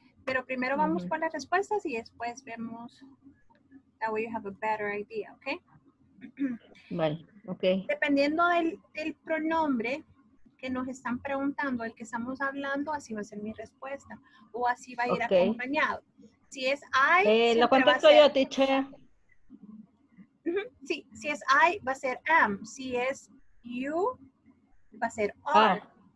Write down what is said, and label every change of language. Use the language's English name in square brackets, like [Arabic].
[Spanish] Pero primero vamos por las respuestas y después vemos. [English] That way you have a better idea, okay? [Spanish] Vale, okay. Dependiendo del pronombre que nos están preguntando, el que estamos hablando, así va a ser mi respuesta. O así va a ir okay. Acompañado. Si es I, lo contesto yo, teacher. Sí, si es I, va a ser am. Si es you, va a ser are. Ah.